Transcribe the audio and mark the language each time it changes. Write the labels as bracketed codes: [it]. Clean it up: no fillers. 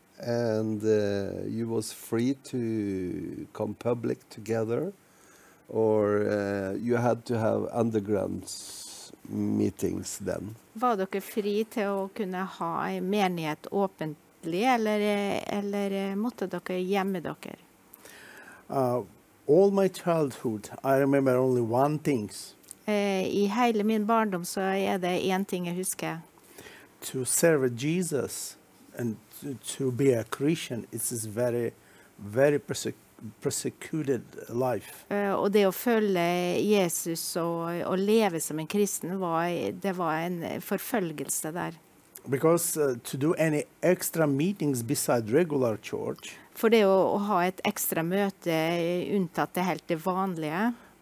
[en] And you was free to come public together, or you had to have underground meetings then. [no] Var dere fri til å kunne ha en menighet åpentlig, eller måtte dere gjemme dere? [en] All my childhood, I remember only one thing. [no] I hele min barndom så er det en ting jeg husker. [en] To serve Jesus and to be a Christian, it's very, very persecuted life. [no] Og det å følge Jesus og leve som en kristen, det var en forfølgelse der. [en] Because to do any extra meetings besides regular church. [no] For det å ha et ekstra møte unntatt det helt det vanlige.